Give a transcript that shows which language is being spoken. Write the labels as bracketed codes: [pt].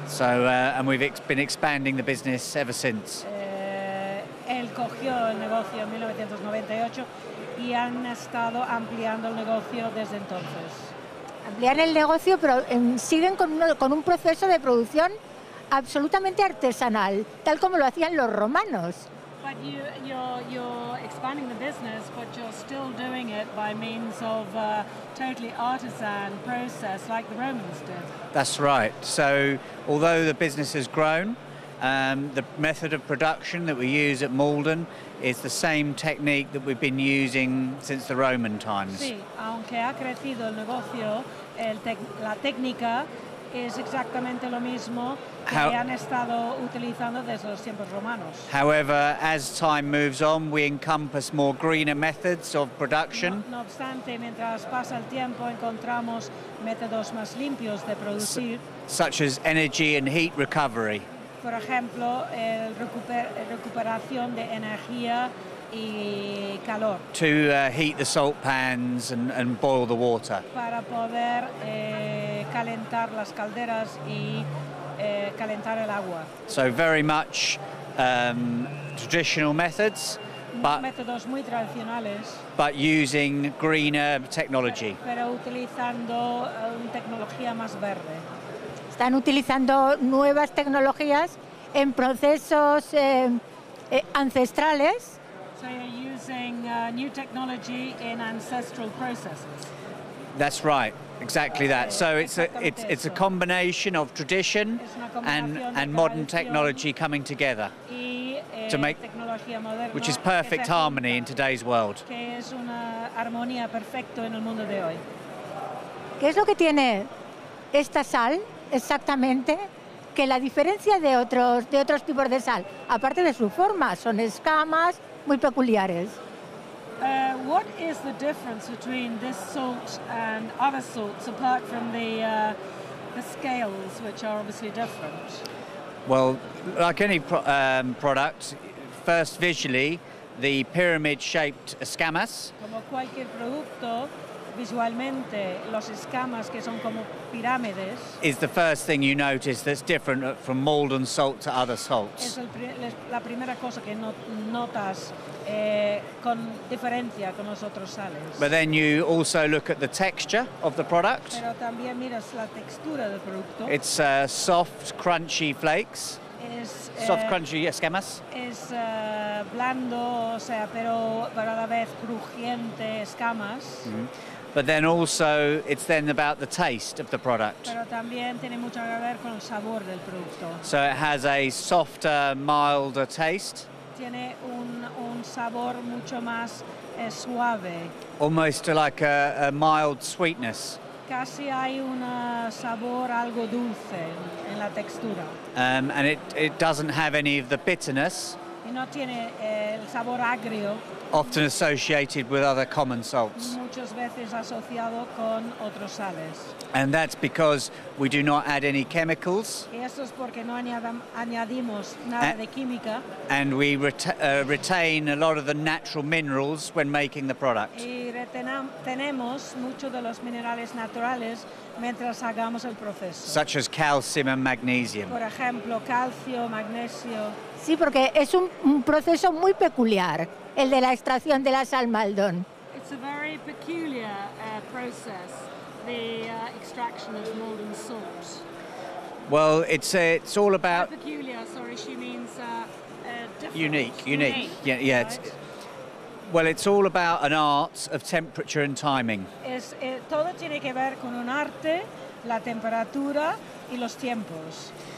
[en] So, and we've been expanding the business ever since. [es] Él cogió el negocio en 1998 y han estado ampliando el negocio desde entonces. Ampliar el negocio, pero siguen con un proceso de producción absolutamente artesanal, tal como lo hacían los romanos. [en] But you're expanding the business, but you're still doing it by means of a totally artisan process like the Romans did. That's right. So although the business has grown, the method of production that we use at Maldon is the same technique that we've been using since the Roman times. [es] Sí, aunque ha crecido el negocio, la técnica es exactamente lo mismo que han estado utilizando desde los tiempos romanos. [en] However, as time moves on, we encompass more greener methods of production. [es] No obstante, mientras pasa el tiempo, encontramos métodos más limpios de producir. [en] Such as energy and heat recovery. [es] Por ejemplo, recuperación de energía y calor. [en] To heat the salt pans and boil the water. [es] Para poder calentar las calderas y calentar el agua. [en] So very much traditional methods, [es] métodos muy tradicionales, [en] but using greener technology. [es] Pero utilizando una tecnología más verde. Están utilizando nuevas tecnologías en procesos ancestrales. [en] So you're using new technology in ancestral processes. That's right, exactly that. So it's a combination of tradition and modern technology coming together to make [es] tecnología moderna, [en] which is perfect harmony in today's world. [es] Que es una armonía perfecta en el mundo de hoy. ¿Qué es lo que tiene esta sal? Exactamente, que la diferencia de otros tipos de sal, aparte de su forma, son escamas muy peculiares. [en] What is the difference between this salt and other salts, apart from the scales, which are obviously different? Well, like any product, first visually, the pyramid-shaped escamas. [es] Como cualquier producto, visualmente, los escamas que son como pirámides [en] is the first thing you notice that's different from Maldon salt to other salts. [es] Es la primera cosa que notas con diferencia con los otros sales. [en] But then you also look at the texture of the product. [es] Pero también miras la textura del producto. [en] It's soft, crunchy flakes. Soft, crunchy escamas. [es] Es blando, o sea, pero a la vez crujiente escamas. Mm-hmm. [en] But then also, it's then about the taste of the product. [es] Pero también tiene mucho que ver con el sabor del producto. [en] So it has a softer, milder taste. [es] Tiene un sabor mucho más suave. [en] Almost like a mild sweetness. [es] Casi hay un sabor algo dulce en la textura. [en] And it doesn't have any of the bitterness. [es] Y no tiene el sabor agrio. [en] Often associated with other common salts. [es] Muchas veces asociado con otros sales. [en] And that's because we do not add any chemicals. [es] Y eso es porque no añadimos nada de química. [en] And we retain a lot of the natural minerals when making the product. [es] Y tenemos muchos de los minerales naturales mientras hagamos el proceso. [en] Such as calcium and magnesium. [es] Por ejemplo, calcio, magnesio. Sí, porque es un proceso muy peculiar. El de la extracción de la sal Maldon. [en] It's a very peculiar process, the extraction of Maldon salt. Well, it's all about... Peculiar, sorry, she means unique. Yeah, right. Well, it's all about an art of temperature and timing. [es] Todo tiene que ver con un arte, la temperatura y los tiempos.